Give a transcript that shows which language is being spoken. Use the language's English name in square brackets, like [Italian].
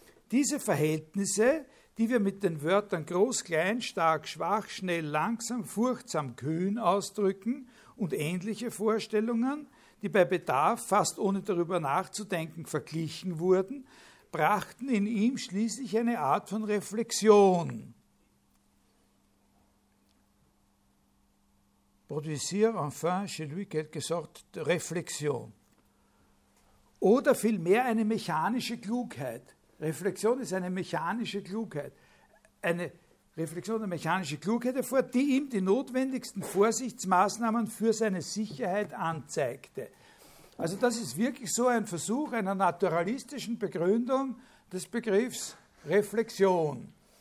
[German] Diese Verhältnisse, die wir mit den Wörtern groß, klein, stark, schwach, schnell, langsam, furchtsam, kühn ausdrücken und ähnliche Vorstellungen, die bei Bedarf fast ohne darüber nachzudenken verglichen wurden, brachten in ihm schließlich eine Art von Reflexion. [French] Produisier enfin chez lui quelque sorte de Reflexion. [German] Oder vielmehr eine mechanische Klugheit. Reflexion ist eine mechanische Klugheit. Eine Reflexion, eine mechanische Klugheit hervor, die ihm die notwendigsten Vorsichtsmaßnahmen für seine Sicherheit anzeigte. Also das ist wirklich so ein Versuch einer naturalistischen Begründung des Begriffs Reflexion.